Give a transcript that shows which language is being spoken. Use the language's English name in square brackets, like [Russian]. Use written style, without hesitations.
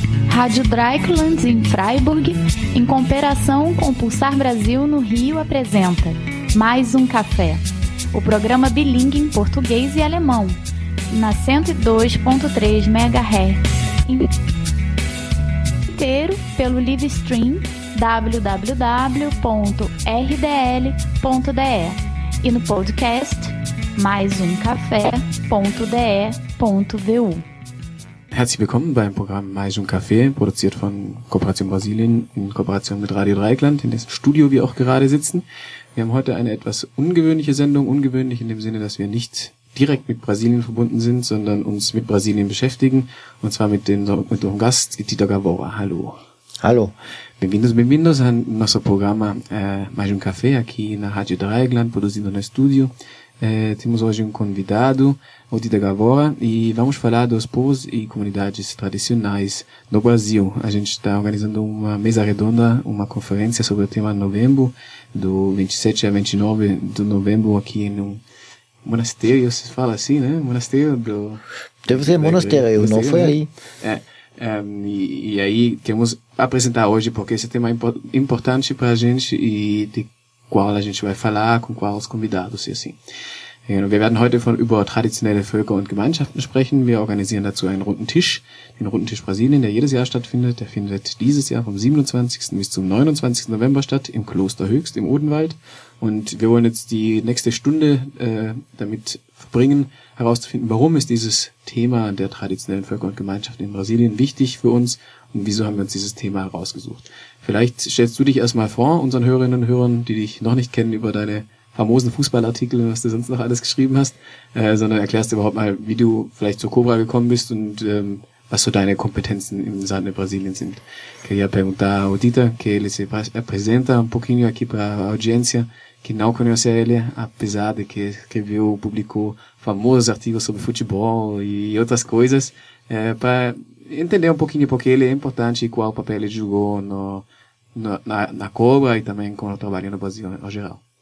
[Portuguese] Rádio Dreieckland em Freiburg, em cooperação com o Pulsar Brasil no Rio, apresenta Mais um Café, o programa bilíngue em português e alemão, na 102.3 MHz, inteiro pelo live stream www.rdl.de e no podcast maisumcafé.de.vu. [German] Herzlich willkommen beim Programm Mais um Café, produziert von Kooperation Brasilien in Kooperation mit Radio Dreieckland, in dessen Studio wir auch gerade sitzen. Wir haben heute eine etwas ungewöhnliche Sendung, ungewöhnlich in dem Sinne, dass wir nicht direkt mit Brasilien verbunden sind, sondern uns mit Brasilien beschäftigen, und zwar mit unserem Gast, Tito Gavora. Hallo. Hallo. [Portuguese] Bem-vindos a nosso programa Mais um Café, aqui na Radio Dreieckland, produzindo no estúdio. Temos hoje convidado, o Tito Gavora, e vamos falar dos povos e comunidades tradicionais no Brasil. A gente está organizando uma mesa redonda, uma conferência sobre o tema novembro, do 27 a 29 de novembro, aqui em um monastério, se fala assim, né? Monastério do... Deve ser monastério, não foi aí. E aí temos a apresentar hoje, porque esse tema é importante para a gente e de qual a gente vai falar, com quais convidados e assim. [German] Genau, wir werden heute über traditionelle Völker und Gemeinschaften sprechen. Wir organisieren dazu einen runden Tisch, den runden Tisch Brasilien, der jedes Jahr stattfindet. Der findet dieses Jahr vom 27. bis zum 29. November statt im Kloster Höchst im Odenwald. Und wir wollen jetzt die nächste Stunde damit verbringen, herauszufinden, warum ist dieses Thema der traditionellen Völker und Gemeinschaften in Brasilien wichtig für uns und wieso haben wir uns dieses Thema herausgesucht. Vielleicht stellst du dich erstmal vor, unseren Hörerinnen und Hörern, die dich noch nicht kennen, über deine famosen Fußballartikel, was du sonst noch alles geschrieben hast, sondern erklärst du überhaupt mal, wie du vielleicht zur Cobra gekommen bist und was so deine Kompetenzen im Sande Brasilien sind. [Portuguese] Queria perguntar ao Tito, que ele se apresenta um pouquinho aqui para a audiência, que não conhece ele, apesar de que escreveu, publicou famosos artigos sobre futebol e outras coisas, para entender um pouquinho porque ele é importante e qual papel ele jogou na Cobra e também com o trabalho no Brasil em geral.